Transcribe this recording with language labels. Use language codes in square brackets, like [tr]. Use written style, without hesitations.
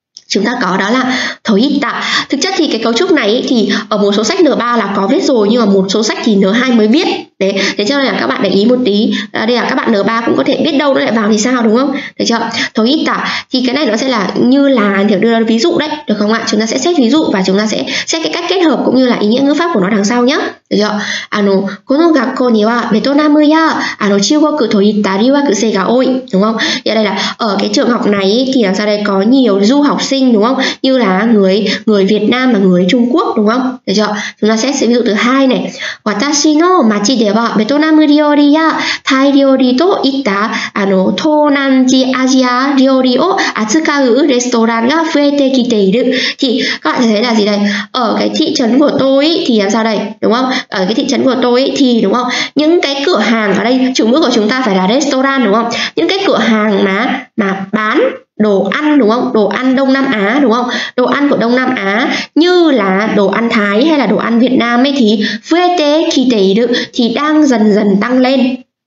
[vi] chúng ta có đó là thấu hít tạ. Thực chất thì cái cấu trúc này thì ở một số sách N3 là có viết rồi, nhưng mà một số sách thì N2 mới viết. Đấy, thế cho nên là các bạn để ý một tí. À, đây là các bạn N3 cũng có thể biết đâu nó lại vào thì sao, đúng không? Thấy chưa? Thấu hít tạ. Thì cái này nó sẽ là như là kiểu đưa ra ví dụ đấy, được không ạ? Chúng ta sẽ xét ví dụ và chúng ta sẽ xét cái cách kết hợp cũng như là ý nghĩa ngữ pháp của nó đằng sau nhé. Được chưa? [ja] この学校にはベトナムや中国といった留学生が多い。 [vi] đúng không? Vậy đây là ở cái trường học này thì làm sao đây có nhiều du học sinh, đúng không? Như là người Việt Nam và người Trung Quốc, đúng không? Được chưa? Chúng ta sẽ xét ví dụ thứ hai này. [ja] 私の町ではベトナム料理やタイ料理といった東南アジア料理を扱うレストランが増えてきている。 [vi] Thì các bạn thấy là gì đây? Ở cái thị trấn của tôi thì làm sao đây? Đúng không? Ở cái thị trấn của tôi thì đúng không? Những cái cửa hàng ở đây, chủ ngữ của chúng ta phải là restaurant, đúng không? Những cái cửa hàng mà bán đồ ăn, đúng không? Đồ ăn Đông Nam Á, đúng không? Đồ ăn của Đông Nam Á như là đồ ăn Thái hay là đồ ăn Việt Nam ấy thì vete kite được thì đang dần dần tăng lên.